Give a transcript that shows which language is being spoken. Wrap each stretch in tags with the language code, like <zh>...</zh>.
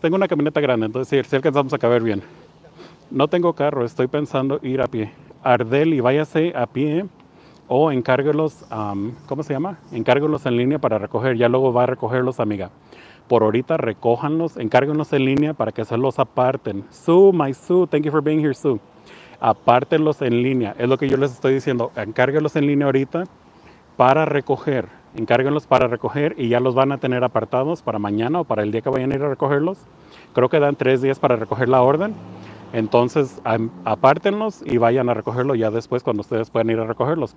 <es>Tengo una camioneta grande, entonces sí, si alcanzamos a caber bien. No tengo carro, estoy pensando ir a pie. Ardeli, váyase a pie. O encárguelos, ¿cómo se llama? Encárguelos en línea para recoger. Ya luego va a recogerlos, amiga. Por ahorita, recójanlos, encárguenlos en línea para que se los aparten.</es> <en>Sue, my Sue, thank you for being here, Sue.</en> <es>Apártenlos en línea, es lo que yo les estoy diciendo. Encárguenlos en línea ahorita para recoger. Encárguenlos para recoger y ya los van a tener apartados para mañana o para el día que vayan a ir a recogerlos. Creo que dan 3 días para recoger la orden. Entonces, apártenlos y vayan a recogerlo ya después cuando ustedes puedan ir a recogerlos.</es>